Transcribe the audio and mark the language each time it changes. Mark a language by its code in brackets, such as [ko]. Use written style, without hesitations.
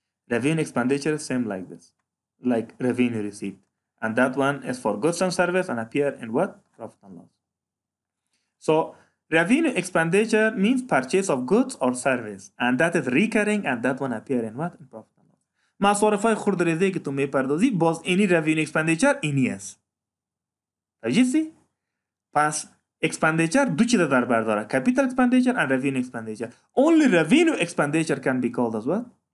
[en] Revenue expenditure is same like this. Like revenue receipt. And that one is for goods and service and appear in what? Profit and loss. So, revenue expenditure means purchase of goods or service. And that is recurring and that one appear in what? In profit. [fa] مصارف های خرد ریزه که تو میپردازی باز اینی revenue expenditure اینی است. تجیستی؟ پس expenditure دو چیز در برداره. [en] Capital expenditure and revenue expenditure. Only revenue expenditure can be called as what?